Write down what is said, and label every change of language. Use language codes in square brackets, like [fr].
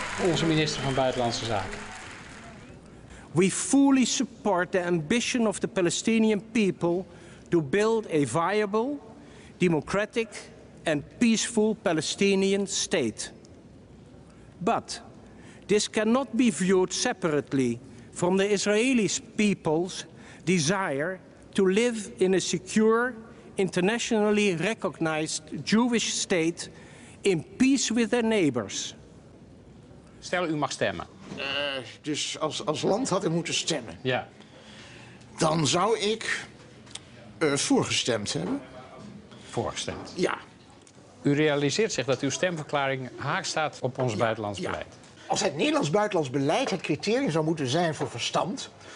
[nl] Onze minister van Buitenlandse Zaken. [en] We fully support the ambition of the Palestinian people to build a viable, democratic and peaceful Palestinian state. But this cannot be viewed separately from the Israeli people's desire to live in a secure, internationally recognized Jewish state in peace with their neighbors. [nl] Stel, u mag stemmen. Dus als land had ik moeten stemmen. Ja. Dan zou ik voorgestemd hebben. Voorgestemd? Ja. U realiseert zich dat uw stemverklaring haaks staat op ons buitenlands beleid. Ja. Als het Nederlands buitenlands beleid het criterium zou moeten zijn voor verstand.